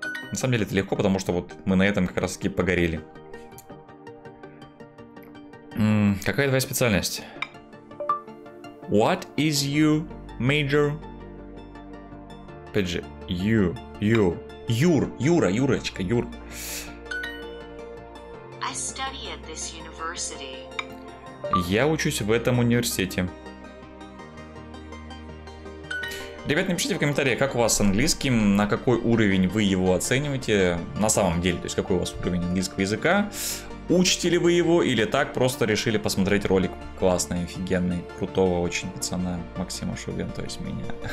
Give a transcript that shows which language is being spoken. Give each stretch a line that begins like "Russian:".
Russian: На самом деле это легко, потому что вот мы на этом как раз таки погорели. Какая твоя специальность?
English: What is your major?
Russian: Опять же, you. You. Юр. Юра. Юрочка. Юр.
English: I study at this university.
Russian: Я учусь в этом университете. Ребят, напишите в комментариях, как у вас с английским, на какой уровень вы его оцениваете на самом деле. То есть, какой у вас уровень английского языка. Учите ли вы его или так просто решили посмотреть ролик классный, офигенный, крутого очень пацана Максима Шугина, то есть меня.